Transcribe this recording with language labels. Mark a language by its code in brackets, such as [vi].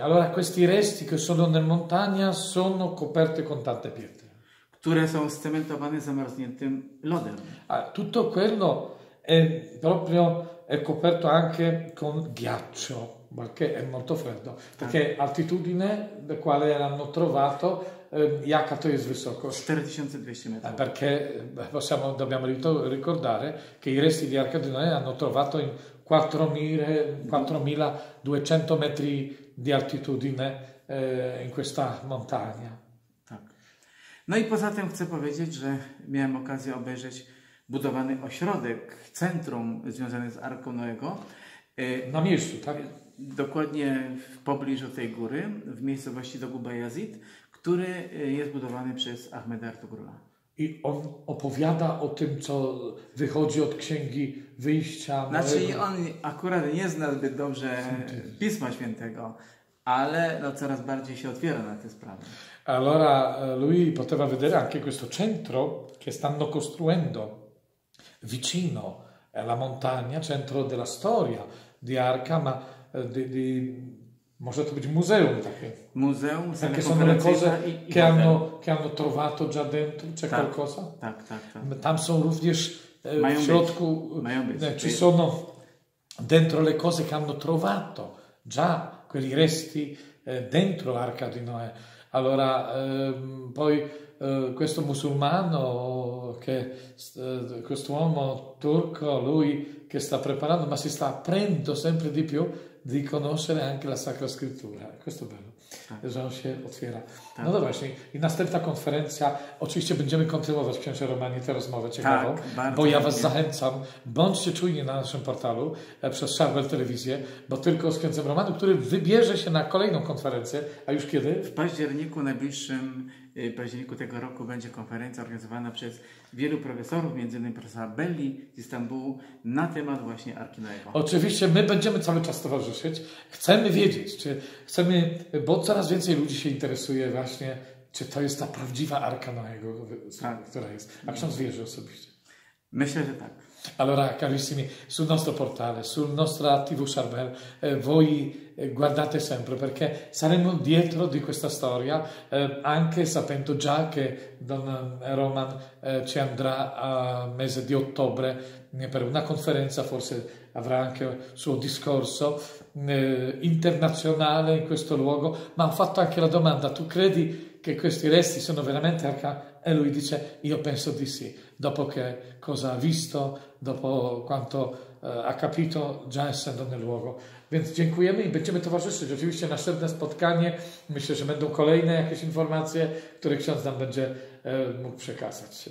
[it] Allora questi resti che sono nel montagna sono coperte con tante pietre. [pl] Które są scementowane zamarzniętym lodem. [it] A tutto quello è proprio è coperto anche con ghiaccio, perché è molto freddo. Perché altitudine da quale l'hanno trovato, [pl] jaka to jest wysokość? [it] 4200 metri. Perché dobbiamo ricordare che i resti di Arca di Noè hanno trovato in 4200 metri di altitudine in questa montagna. [pl] Tak. No i poza tym chcę powiedzieć, że miałem okazję obejrzeć budowany ośrodek, centrum związany z Arką Noego. Na miejscu, tak? Dokładnie w pobliżu tej góry, w miejscowości Dogu Bayazid, który jest budowany przez Ahmeda Ertugrula. I on opowiada o tym, co wychodzi od Księgi Wyjścia. Znaczy, on akurat nie zna zbyt dobrze Pisma Świętego, ale no, coraz bardziej się otwiera na te sprawy. [it] Allora, lui poteva vedere anche questo centro che stanno costruendo vicino alla montagna, centro della storia di Arca, ma di [pl] może to być muzeum takie. Muzeum, takie są [it] le cose che hanno trovato già dentro, c'è qualcosa? [pl] Tak, tak, tak. Tam są również w środku, [it] ci sono dentro le cose che hanno trovato già, quei resti dentro l'Arca di Noè. Allora, poi questo musulmano, questo uomo turco, lui che sta preparando, ma si sta aprendo sempre di più di conoscere anche la Sacra Scrittura. Questo è bello. Esatto, si [pl] otwiera. Tak. No dobra, in następna konferencja oczywiście będziemy kontynuować, Księże Romani, tę rozmowę ciekawą, tak, bo ja was zachęcam, bądźcie czujni na naszym portalu przez Szarbel Telewizję, bo tylko z Księdzem Romanem, który wybierze się na kolejną konferencję, a już kiedy? W październiku, najbliższym październiku tego roku będzie konferencja organizowana przez wielu profesorów, m.in. profesora Belli z Istambułu na temat właśnie Arki Noego. Oczywiście my będziemy cały czas towarzyszyć. Chcemy wiedzieć, czy chcemy, bo coraz więcej ludzi się interesuje właśnie, czy to jest ta prawdziwa Arka Noego, która jest. A ksiądz wierzy osobiście. Myślę, że tak. [it] Allora, carissimi, sul nostro portale, sul nostro TV Charbel, voi guardate sempre, perché saremo dietro di questa storia, anche sapendo già che Don Roman ci andrà a mese di ottobre per una conferenza, forse avrà anche suo discorso internazionale in questo luogo. Ma ho fatto anche la domanda: tu credi che questi resti sono veramente arca? E lui dice: io penso di sì, dopo che cosa ha visto, dopo quanto ha capito già essendo nel luogo. [pl] Więc dziękujemy i będziemy towarzyszyć. Oczywiście następne spotkanie, myślę, że będą kolejne jakieś informacje, które ksiądz nam będzie mógł przekazać.